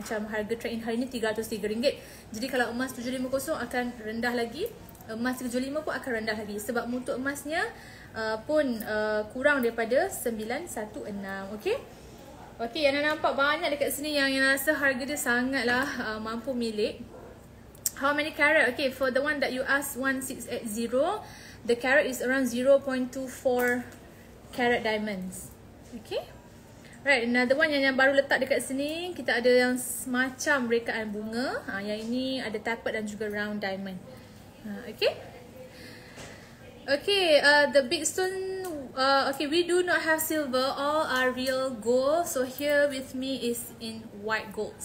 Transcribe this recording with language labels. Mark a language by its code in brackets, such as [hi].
[ms] Macam harga trade in hari ni RM303. Jadi kalau emas 750 akan rendah lagi, emas 375 pun akan rendah lagi sebab mutu emasnya pun kurang daripada 916. Okey. Okey, yang nampak banyak dekat sini yang rasa harga dia sangatlah mampu milik. [en] How many carat? Okey, for the one that you ask 1680, the carat is around 0.24 carat diamonds. [ms] Okey. [en] Right, another one [ms] yang baru letak dekat sini, kita ada yang semacam rekaan bunga. Yang ini ada tapered dan juga round diamond. Okey. [en] Okay, the big stone, okay, we do not have silver, all are real gold. So here with me is in white gold.